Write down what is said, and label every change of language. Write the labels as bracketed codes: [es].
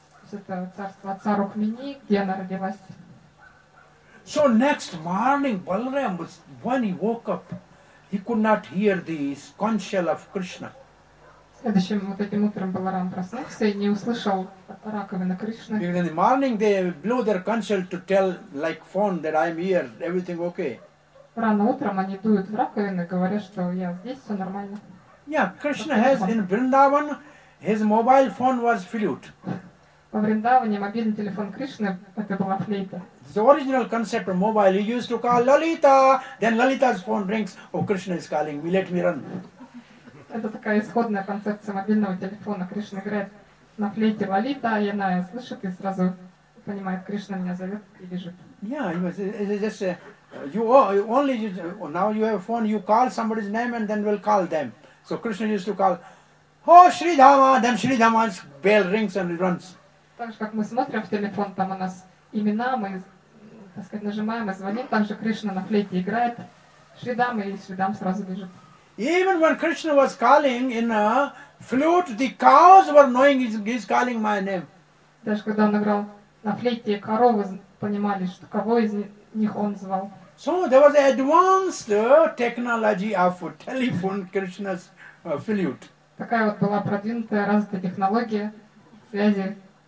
[ru] Это царство отца Рукмини, где она родилась. [en] So next morning, Balaram was, when he woke up, he could not hear the conch shell of Krishna. [ru] Следующим вот этим утром Баларам проснулся и не услышал раковины Кришны. [en] Because in the morning they blew their conch shell to tell, like phone, that I'm here, everything okay. [ru] Рано утром они дуют в раковины, говорят, что я здесь, все нормально. [en] Yeah, Krishna has in Vrindavan, his mobile phone was flute. [ru] Во Вриндаване мобильный телефон Кришны это была флейта. [en] The original concept of mobile, he used to call Lalita, then Lalita's phone rings, oh, Krishna is calling me, let me run. [ru] Это такая исходная концепция мобильного телефона. Кришна играет на флейте Лалита, и она слышит и сразу понимает, Кришна меня зовет и бежит. [en] Yeah, it's just, now you have a phone, you call somebody's name and then we'll call them. So Krishna used to call, oh, Shri Dhamma, then Shri Dhamma's bell rings and it runs. [ru] Так же, как мы смотрим в телефон, там у нас имена, мы, так сказать, нажимаем и звоним, там же Кришна на флейте играет, Шри Дам, и Шри Дам сразу бежит. [en] Even when Krishna was calling in a flute, the cows were knowing he's calling my name. [ru] Даже когда он играл на флейте, коровы понимали, что кого из них он звал. [en] So there was advanced technology of telephone, Krishna's flute. [ru] Такая вот была продвинутая развитая технология связи.